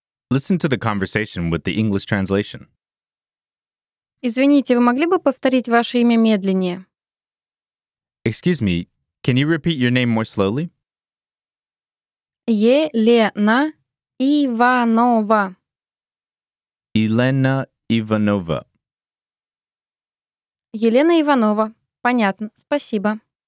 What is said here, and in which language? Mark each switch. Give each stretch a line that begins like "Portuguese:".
English: Listen to the conversation with the English translation.
Russian: Извините, вы могли бы повторить ваше имя медленнее?
English: Excuse me, can you repeat your name more slowly?
Russian: Елена Иванова. Елена Иванова. Елена Иванова. Понятно. Спасибо.